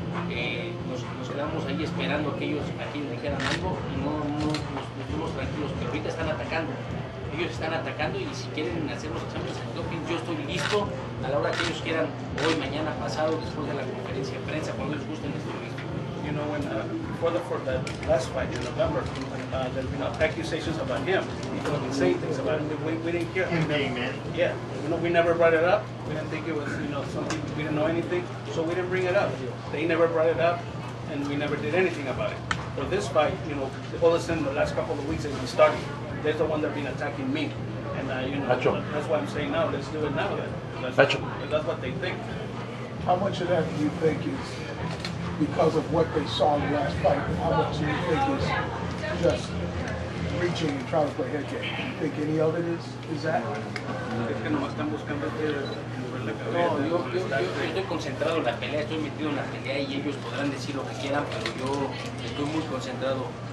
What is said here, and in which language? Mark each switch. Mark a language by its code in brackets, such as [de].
[es] Nos quedamos ahí esperando a que ellos aquí dijeran algo y no nos fuimos tranquilos, pero ahorita están atacando. Ellos están atacando y si quieren hacer los exámenes de doping, yo estoy listo a la hora que ellos quieran, hoy, mañana, pasado, después de la conferencia de prensa, cuando les gusten, estoy listo. [en] You know, when for the last fight in November, there have been accusations about him. People have been saying things about him. We didn't hear. Him being mad. Yeah. You know, we never brought it up. We didn't think it was, you know, something. We didn't know anything. So we didn't bring it up. They never brought it up, and we never did anything about it. For this fight, you know, all of a sudden, the last couple of weeks, they've been starting. They're the one that's been attacking me. And, you know, that's why I'm saying now, let's do it now. That's what they think. How much of that do you think is because of what they saw in the last fight, and how much do you think is just reaching and trying to play head game? Do you think any of it is that? [es] No, yo estoy concentrado en la pelea, estoy metido en la pelea y ellos podrán decir lo que quieran, pero yo estoy muy concentrado.